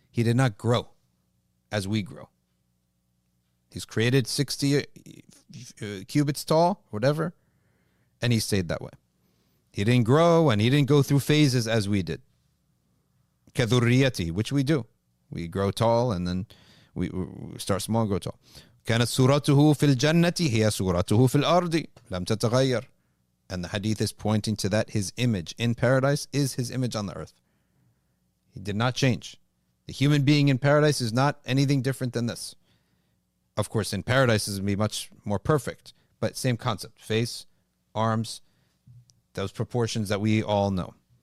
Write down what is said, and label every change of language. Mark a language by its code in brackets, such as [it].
[en] He did not grow as we grow. He's created 60 cubits tall, whatever, and he stayed that way. He didn't grow and he didn't go through phases as we did. [ar] كَذُرِّيَّتِهِ, [en] which we do. We grow tall and then we start small and grow tall. [ar] كانت سورته في الجنة هي سورته في الأرض لم تتغير. [en] And the hadith is pointing to that his image in paradise is his image on the earth. He did not change. The human being in paradise is not anything different than this. Of course, in paradise is going to be much more perfect, but same concept, face, arms, those proportions that we all know.